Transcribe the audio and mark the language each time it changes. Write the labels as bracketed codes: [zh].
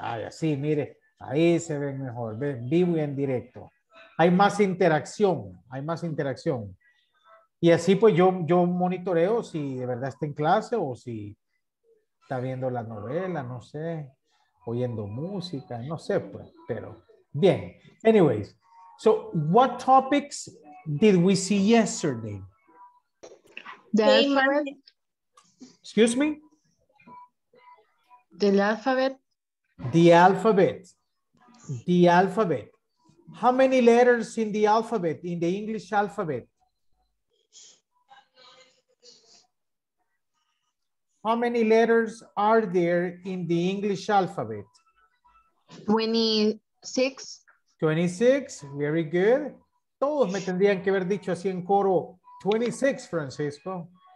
[es] Ay, así, mire, ahí se ven mejor, ven vivo y en directo. Hay más interacción, hay más interacción. Y así pues yo monitoreo si de verdad está en clase o si está viendo la novela, no sé, oyendo música, no sé, pues, pero bien. [en] Anyways, so what topics did we see yesterday? Excuse me? The alphabet. The alphabet. The alphabet. How many letters in the alphabet, in the English alphabet? How many letters are there in the English alphabet? 26. 26, very good. [es] Todos me tendrían que haber dicho así en coro, 26, Francisco.